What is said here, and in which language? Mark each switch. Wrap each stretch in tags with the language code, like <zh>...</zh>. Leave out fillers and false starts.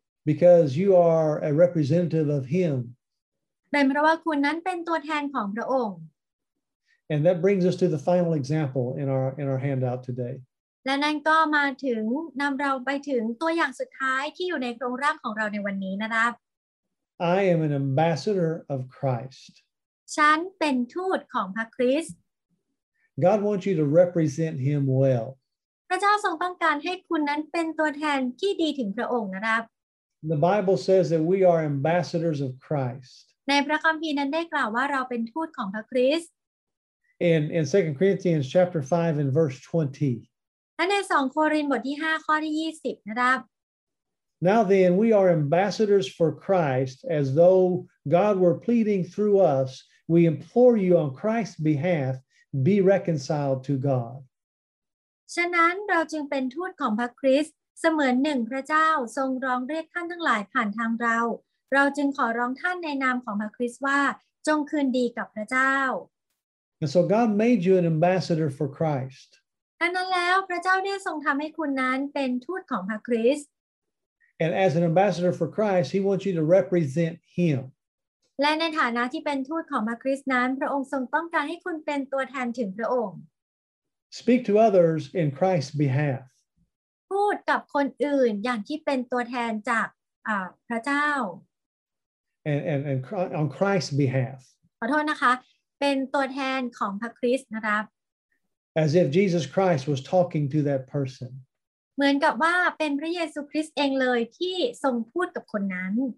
<en>Because you are a representative of Him.</en> <th>เป็นเพราะว่าคุณนั้นเป็นตัวแทนของพระองค์</th> <en>And that brings us to the final example in our handout today.</en> <th>และนั่นก็มาถึงนำเราไปถึงตัวอย่างสุดท้ายที่อยู่ในโครงร่างของเราในวันนี้นะครับ</th> <en>I am an ambassador of Christ</en> <th>ฉันเป็นทูตของพระคริสต์</th> <en>God wants you to represent him well</en> <th>พระเจ้าทรงต้องการให้คุณนั้นเป็นตัวแทนที่ดีถึงพระองค์นะครับ</th> <en>The Bible says that we are ambassadors of Christ</en> <th>ในพระคัมภีร์นั้นได้กล่าวว่าเราเป็นทูตของพระคริสต์</th> <en>In 2 Corinthians chapter 5 and verse 20</en> <th>และใน2โครินธ์บทที่5ข้อที่20นะครับ</th> <en>Now then we are ambassadors for Christ as though God were pleading through us we implore you on Christ's behalf be reconciled to God</en> <th>ฉะนั้นเราจึงเป็นทูตของพระคริสต์เสมือนหนึ่งพระเจ้าทรงร้องเรียกท่านทั้งหลายผ่านทางเราเราจึงขอร้องท่านในนามของพระคริสต์ว่าจงคืนดีกับพระเจ้า</th> <en>And so God made you an ambassador for Christ</en> <th>ดังนั้นแล้วพระเจ้าได้ทรงทำให้คุณนั้นเป็นทูตของพระคริสต์</th> <en>And as an ambassador for Christ, he wants you to represent him.</en> <th>และในฐานะที่เป็นทูตของพระคริสต์นั้นพระองค์ทรงต้องการให้คุณเป็นตัวแทนถึงพระองค์</th> <en>Speak to others in Christ's behalf.</en> <th>พูดกับคนอื่นอย่างที่เป็นตัวแทนจากพระเจ้า</th> <en>And on Christ's behalf.</en> <th>ขอโทษนะคะเป็นตัวแทนของพระคริสต์นะครับ</th> <en>As if Jesus Christ was talking to that person.</en> <th>เหมือนกับว่าเป็นพระเยซูคริสต์เองเลยที่ทรงพูดกับคนนั้น</th>